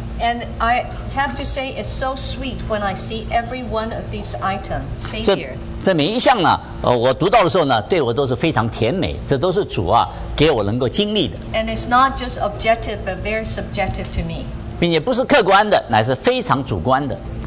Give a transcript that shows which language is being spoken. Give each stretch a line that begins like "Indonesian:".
English: And I have to say it's so sweet when I see every one of these items, Savior.
Chinese: 这每一项呢，我读到的时候呢，对我都是非常甜美，这都是主给我能够经历的。
English: And it's not just objective, but very subjective to me.
Chinese: 并且不是客观的，乃是非常主观的。